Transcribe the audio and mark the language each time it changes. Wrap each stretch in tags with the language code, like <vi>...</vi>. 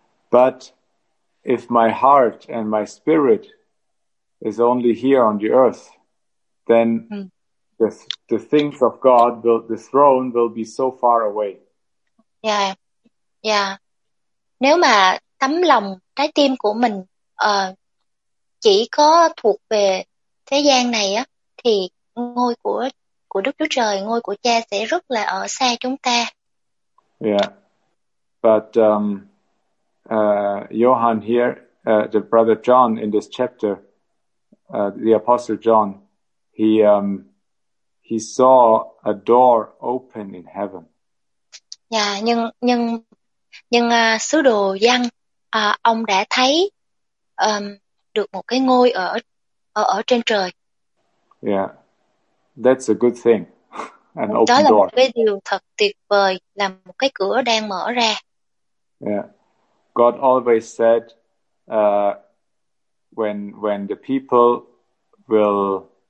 <en>But if my heart and my spirit is only here on the earth, then the things of God, the throne will be so far away. Yeah, yeah.</en> <vi>Nếu mà tấm lòng, trái tim của mình chỉ có thuộc về thế gian này á, thì ngôi của Đức Chúa Trời, ngôi của Cha sẽ rất là ở xa chúng ta.</vi> <en>Yeah, but Johann here, the brother John in this chapter, the apostle John. He saw a door open in heaven.</en> <vi>Yeah, nhưng sứ đồ Giăng ông đã thấy được một cái ngôi ở trên trời.</vi> <en>Yeah, that's a good thing. An open door.</en> <vi>Đó là một cái điều thật tuyệt vời, là một cái cửa đang mở ra.</vi> <en>Yeah, God always said when the people will</en>